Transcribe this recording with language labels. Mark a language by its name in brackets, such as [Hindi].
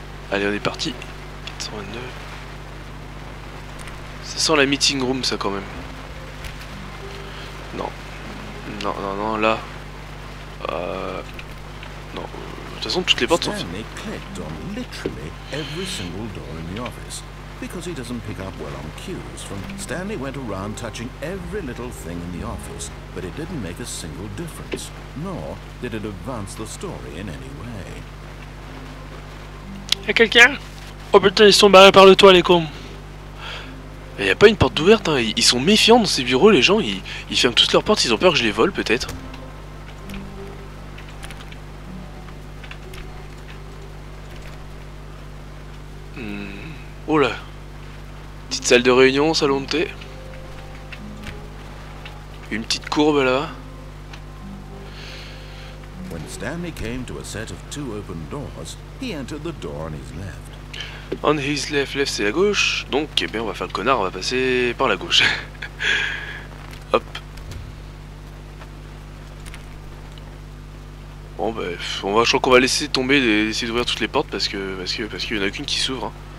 [French] Allez, on est parti. 429. Ça sent la meeting room, ça, quand même. Non. Non, non, non, là. Non. De toute façon, toutes les portes sont fermées. [English] Stanley clicked on literally every single door in the office. Because he doesn't pick up well on cues from Stanley went around touching every little thing in the office, but it didn't make a single difference. Nor did it advance the story in any way. [French] Y'a quelqu'un? Oh putain, ils sont barrés par le toit, les cons. Il n'y a pas une porte ouverte, hein. Ils sont méfiants dans ces bureaux, les gens, ils ferment toutes leurs portes, ils ont peur que je les vole, peut-être. Oh là. Petite salle de réunion, salon de thé. Une petite courbe là-bas. [English] When Stanley came to a set of two open doors, he entered the door on his left. On his left, [French] left c'est la gauche, donc eh bien on va faire le connard, on va passer par la gauche. Hop. Bon bah, je crois qu'on va laisser tomber, essayer d'ouvrir toutes les portes parce qu'il n'y en a qu'une qui s'ouvre. Hein.